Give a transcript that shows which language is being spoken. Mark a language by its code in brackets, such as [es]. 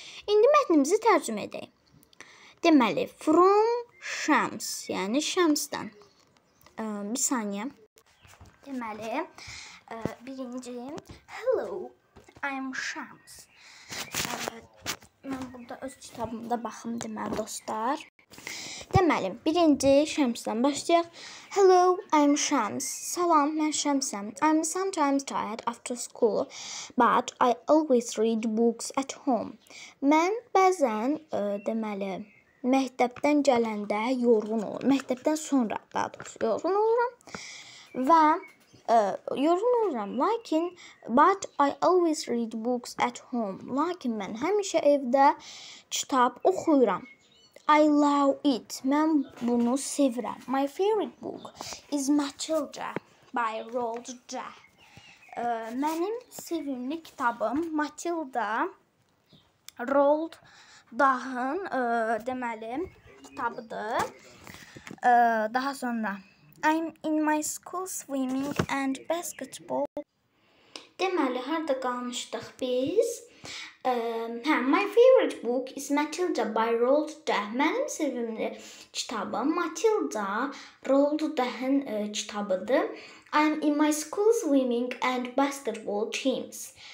[az] İndi mətnimizi tərcümə edək. Deməli, [en] from Şəms, [az] yəni Şəmsdən. Bir saniyə. Deməli, birinci, hello. [en] I am Shams. [az] Mən burada öz kitabımda baxım deməli dostlar. Deməli, birinci Shams-dan başlayaq. [en] Hello, I am Shams. [az] Salam, mən Shams-əm. [en] I am sometimes tired after school, but I always read books at home. [az] Mən bəzən, məktəbdən gələndə yorğun olur. Məktəbdən sonra daha doğrusu yorğun oluram. Və yorğun oluram, lakin, [en] but I always read books at home. [az] Lakin mən həmişə evdə kitab oxuyuram. [en] I love it. [az] Mən bunu sevirəm. [en] My favorite book is Matilda by Roald Dahl. [az] Mənim sevimli kitabım Matilda Roald Dahl'ın kitabıdır. Daha sonra. [en] I'm in my school swimming and basketball. [az] Deməli, harada qalmışdıq biz? [en] My favorite book is Matilda by Roald Dahl. [az] Mənim sevimli kitabım Matilda Roald Dahl'ın kitabıdır. [en] I'm in my school swimming and basketball teams.